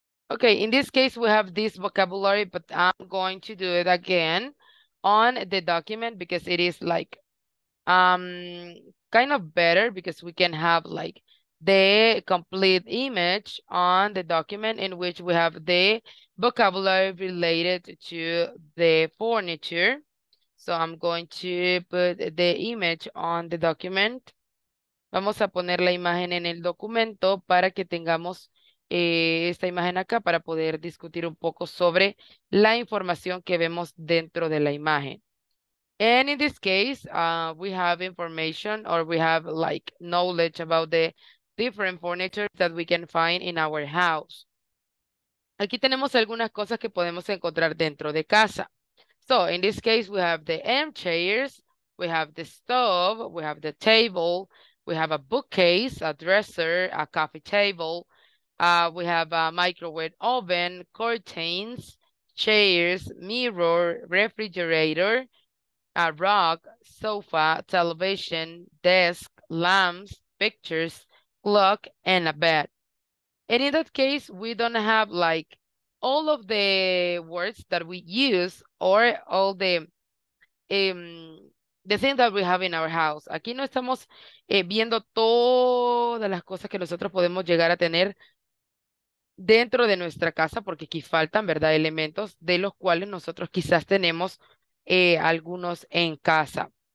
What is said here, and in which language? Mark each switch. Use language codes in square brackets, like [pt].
[en] Okay, in this case, we have this vocabulary, but I'm going to do it again on the document because it is like kind of better because we can have like the complete image on the document in which we have the vocabulary related to the furniture. So I'm going to put the image on the document. [es] Vamos a poner la imagen en el documento para que tengamos esta imagen acá para poder discutir un poco sobre la información que vemos dentro de la imagen. [en] And in this case, we have information or we have like knowledge about the different furniture that we can find in our house. [es] Aquí tenemos algunas cosas que podemos encontrar dentro de casa. [en] So in this case, we have the armchairs, we have the stove, we have the table, we have a bookcase, a dresser, a coffee table, we have a microwave oven, curtains, chairs, mirror, refrigerator, a rug, sofa, television, desk, lamps, pictures, clock, and a bed. And in that case, we don't have like all of the words that we use or all the things that we have in our house. [es] Aquí no estamos viendo todas las cosas que nosotros podemos llegar a tener dentro de nuestra casa, porque aquí faltan, ¿verdad?, elementos de los cuales nosotros quizás tenemos algunos en casa.